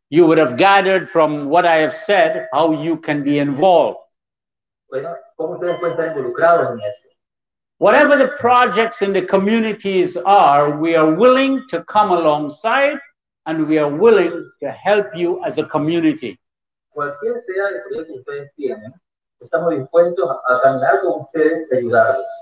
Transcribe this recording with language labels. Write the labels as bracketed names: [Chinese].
[English] You would have gathered from what I have said how you can be involved. [Spanish] Bueno, ¿cómo ustedes pueden estar involucrados en esto? [English] Whatever the projects in the communities are, we are willing to come alongside and we are willing to help you as a community. [Spanish] Cualquier sea el proyecto que ustedes tienen, estamos dispuestos a caminar con ustedes y ayudarles.